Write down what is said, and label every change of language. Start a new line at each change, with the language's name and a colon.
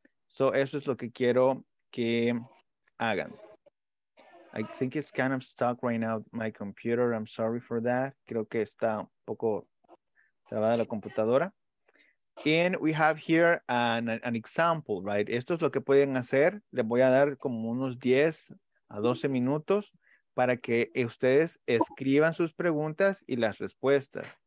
Spanish: So eso es lo que quiero que hagan.
English: I think it's kind of stuck right now, my computer. I'm sorry for that.
Spanish: Creo que está un poco trabada la computadora.
English: And we have here an example, right?
Spanish: Esto es lo que pueden hacer. Les voy a dar como unos 10 a 12 minutos para que ustedes escriban sus preguntas y las respuestas.